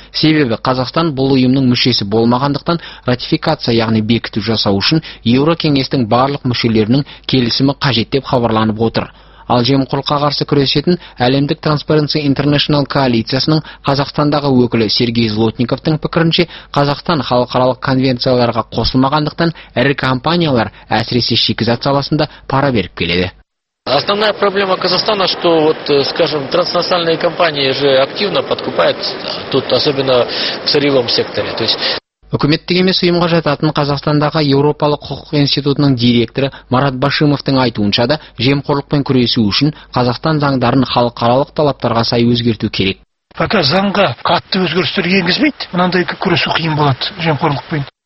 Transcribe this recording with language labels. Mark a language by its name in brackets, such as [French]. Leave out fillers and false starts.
[Kazakh] Себебі Қазақстан бұл ұйымның мүшесі болмағандықтан ратификация, яғни бекіту жасау үшін Еуропа кеңесінің барлық мүшелерінің келісімі қажет деп хабарланып отыр. Ал жемқорлыққа қарсы күресетін әлемдік Transparency International коалициясының Қазақстандағы өкілі Сергей Злотниковтың пікірінше, Қазақстан халықаралық конвенцияларға қосылмағандықтан ірі компаниялар әсіресе шикізат саласында пара беріп келеді. [Russian] Основная проблема Казахстана, что вот, скажем, транснациональные компании же активно подкупают тут, особенно в сырьевом секторе. То есть [Kazakh] үкіметтік емес ұйымға жататын Қазақстандағы Еуропалық құқық институтының директоры Марат Башимовтың айтуынша да, жемқорлықпен күресу үшін Қазақстан заңдарын халықаралық талаптарға сай өзгерту керек. Пока заңға қатты өзгерістер енгізбейді, мынандай күресу қиын болады жемқорлықпен.